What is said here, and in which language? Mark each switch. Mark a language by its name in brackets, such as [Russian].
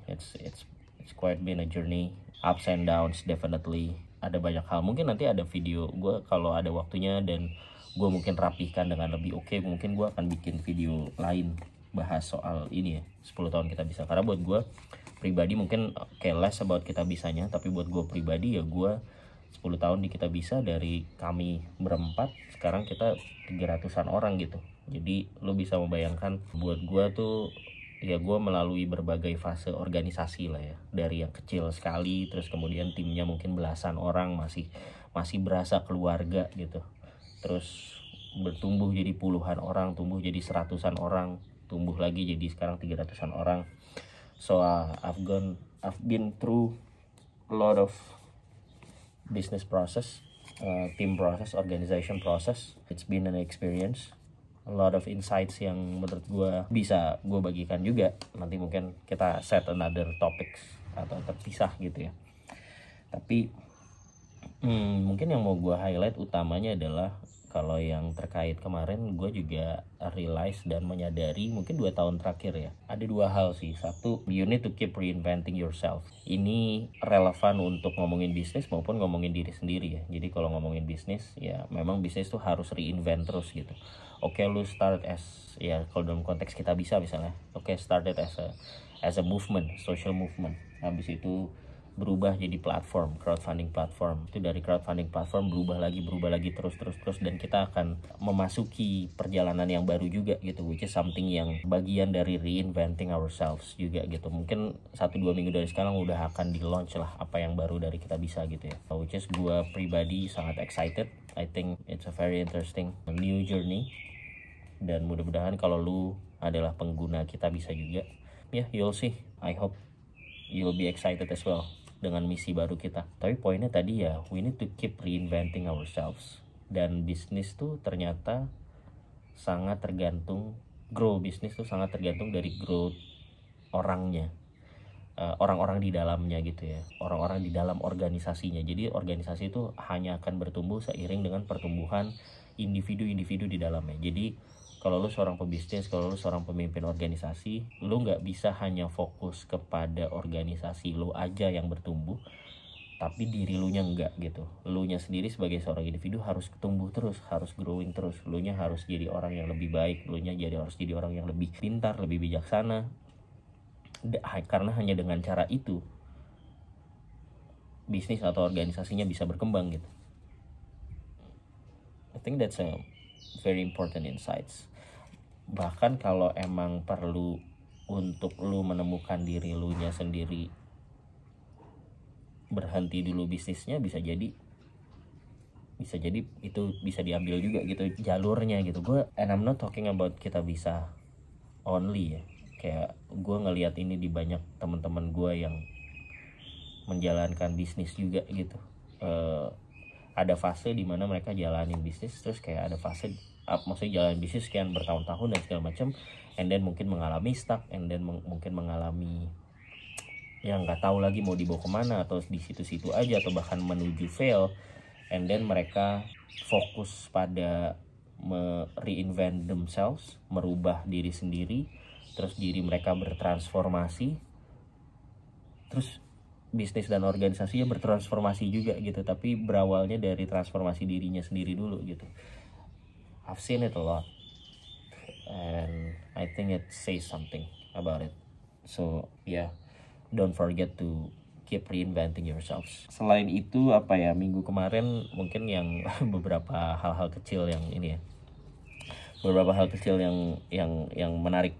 [English] It's quite been a journey. Ups and downs, definitely [Indonesian] ada banyak hal. Mungkin nanti ada video gue kalau ada waktunya dan gue mungkin rapihkan dengan lebih oke, mungkin gue akan bikin video lain bahas soal ini ya, 10 tahun kita bisa. Karena buat gue pribadi mungkin okay, [English] less about [Indonesian] kita bisanya, tapi buat gue pribadi ya gue 10 tahun di kita bisa dari kami berempat, sekarang kita 300-an orang gitu. Jadi lo bisa membayangkan buat gue tuh ya, gue melalui berbagai fase organisasi lah ya, dari yang kecil sekali terus kemudian timnya mungkin belasan orang, masih berasa keluarga gitu, terus bertumbuh jadi puluhan orang, tumbuh jadi seratusan orang, tumbuh lagi jadi sekarang 300-an orang. [English] So I've been through a lot of business process, team process, organization process. It's been an experience. A lot of insights [Indonesian] yang menurut gue bisa gue bagikan juga. Nanti mungkin kita [English] set another topics [Indonesian] atau terpisah gitu ya. Tapi mungkin yang mau gue highlight utamanya adalah kalau yang terkait kemarin, gue juga realize dan menyadari mungkin 2 tahun terakhir ya, ada 2 hal sih. [English] Satu, you need to keep reinventing yourself. [Indonesian] Ini relevan untuk ngomongin bisnis maupun ngomongin diri sendiri ya. Jadi kalau ngomongin bisnis, ya memang bisnis tuh harus reinvent terus gitu. Oke, lu [English] start as, [Indonesian] ya kalau dalam konteks kita bisa misalnya, oke, [English] started as a movement, social movement. [Indonesian] Habis itu berubah jadi platform, crowdfunding platform. Itu dari crowdfunding platform berubah lagi terus, dan kita akan memasuki perjalanan yang baru juga gitu, [English] which is something [Indonesian] yang bagian dari reinventing ourselves juga gitu. Mungkin 1-2 minggu dari sekarang udah akan di launch lah apa yang baru dari kita bisa gitu ya. [English] So, which is [Indonesian] gue pribadi sangat [English] excited. I think it's a very interesting new journey. [Indonesian] Dan mudah-mudahan kalau lu adalah pengguna kita bisa juga, [English] yeah, you'll see. I hope you'll be excited as well [Indonesian] dengan misi baru kita. Tapi poinnya tadi ya, [English] we need to keep reinventing ourselves. [Indonesian] Dan bisnis tuh ternyata sangat tergantung, grow bisnis tuh sangat tergantung dari growth orangnya, orang-orang di dalamnya gitu ya, orang-orang di dalam organisasinya. Jadi organisasi itu hanya akan bertumbuh seiring dengan pertumbuhan individu-individu di dalamnya. Jadi kalau lu seorang pebisnis, kalau lu seorang pemimpin organisasi, lu gak bisa hanya fokus kepada organisasi lu aja yang bertumbuh, tapi diri lu nya enggak gitu. Lu nya sendiri sebagai seorang individu harus tumbuh terus, harus growing terus. Lu nya harus jadi orang yang lebih baik, lu nya harus jadi orang yang lebih pintar, lebih bijaksana. Karena hanya dengan cara itu, bisnis atau organisasinya bisa berkembang gitu. [English] I think that's a very important insights. [Indonesian] Bahkan kalau emang perlu untuk lu menemukan diri lu nya sendiri, berhenti dulu bisnisnya, bisa jadi itu bisa diambil juga gitu jalurnya gitu. Gua, [English] and I'm not talking about [Indonesian] kita bisa only ya. Kayak gua ngelihat ini di banyak teman-teman gua yang menjalankan bisnis juga gitu. Ada fase di mana mereka jalanin bisnis, terus kayak ada fase maksudnya jalan bisnis sekian bertahun-tahun dan segala macam, [English] and then [Indonesian] mungkin mengalami stuck, and then mungkin mengalami yang nggak tahu lagi mau dibawa kemana, atau di situ-situ aja, atau bahkan menuju fail, [English] and then [Indonesian] mereka fokus pada [English] reinvent themselves, [Indonesian] merubah diri sendiri, terus diri mereka bertransformasi, terus bisnis dan organisasinya bertransformasi juga gitu, tapi berawalnya dari transformasi dirinya sendiri dulu gitu. [English] I've seen it a lot and I think it says something about it. So yeah, don't forget to keep reinventing yourselves. [Indonesian] Selain itu apa ya, minggu kemarin mungkin yang beberapa hal-hal kecil yang ini ya, beberapa hal kecil yang menarik.